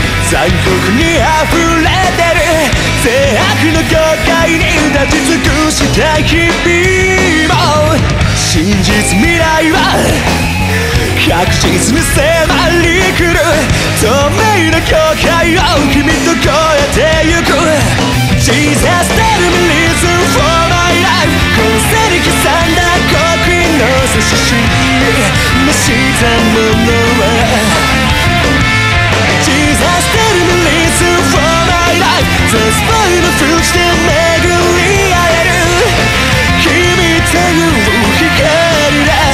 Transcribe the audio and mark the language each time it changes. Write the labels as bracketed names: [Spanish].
[Japanese] 残酷に溢れてる善悪の境界に立ち尽くした日々も真実未来は確実に迫り来る。透明な境界を君と越えてゆく [English] Jesus tell me reason for my life。 [Japanese] この背に刻んだ刻印の差し示したものは [English] Jesus tell me reason for my life。 [Japanese] 絶望の淵で巡り合える君という光だ。